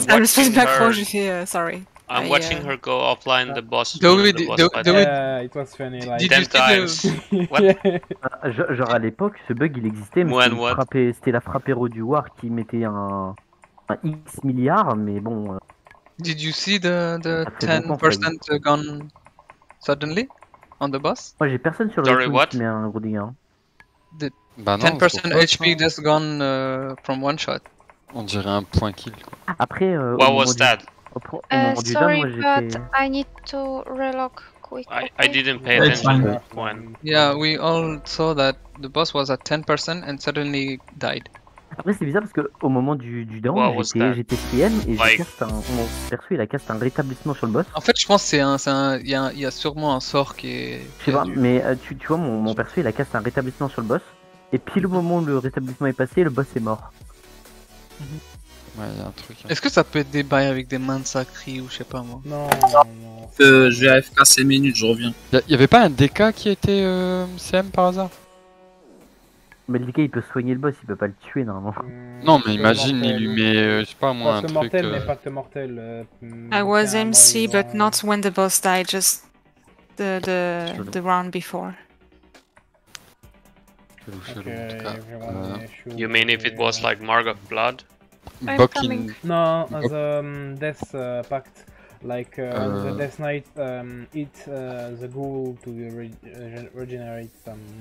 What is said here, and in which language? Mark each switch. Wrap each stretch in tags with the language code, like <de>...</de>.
<fr>C'est ça, le seul macro, j'ai fait, sorry.</fr> <en>I'm watching her go offline, the boss. Do it. It was funny. Ten times. What?</en> <fr>Genre à l'époque, ce bug il existait, mais c'était la frappe héros du War qui mettait un X milliard, mais bon.</fr> <en>Did you see the 10% gone suddenly on the boss?</en> <fr>Moi j'ai personne sur le boss, mais un gros dégât.</fr> <en>The 10% HP just gone from one shot.</en> <fr>On dirait un point kill quoi. Après,</fr> <en>what was that? I need to relock quick. I didn't pay attention. Yeah, we all saw that the boss was at 10% and suddenly died.</en> <fr>Après c'est bizarre parce que au moment du down, j'étais CM et perçu il a cast un rétablissement sur le boss. En fait je pense que il y a sûrement un sort qui est. Je sais pas, mais tu vois mon perso il a cast un rétablissement sur le boss et puis le moment où le rétablissement est passé le boss est mort. Ouais, y a un truc, hein. Est-ce que ça peut être des bails avec des mains sacrées ou je sais pas moi? Non. Je vais AFK 5 minutes, je reviens. Y'avait pas un DK qui était CM par hasard? Mais le DK il peut soigner le boss, il peut pas le tuer normalement. Non, mais imagine, il lui met, je sais pas moi, pacte un mortel, truc. Mortel, mais pacte mortel.</fr> <en>I was MC, but not when the boss died, just the round before.</en> <fr>Chelou, chelou, okay, en tout cas.</fr> <en>You mean if it was like Marg of Blood? Bucking. No, the death pact, like the death knight eat the ghoul to regenerate them.</en>